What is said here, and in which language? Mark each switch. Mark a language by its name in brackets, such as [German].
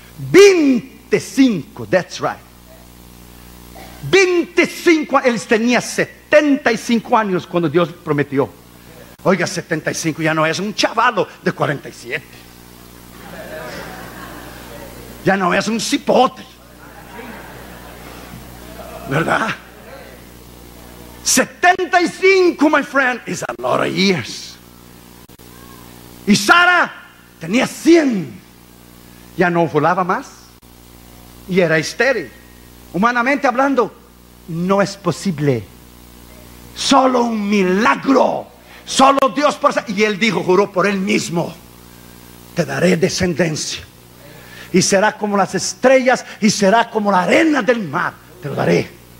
[Spanish] 25, [English] that's right. [Spanish] 25, él tenía 75 años cuando Dios prometió. Oiga, 75 ya no es un chavalo de 47. Ya no es un cipote, ¿verdad? [English] 75, my friend, is a lot of years. [Spanish] Y Sara tenía 100. Ya no ovulaba más y era estéril. Humanamente hablando, no es posible. Solo un milagro. Solo Dios por... Y él dijo, juró por él mismo: te daré descendencia y será como las estrellas y será como la arena del mar. Te lo daré.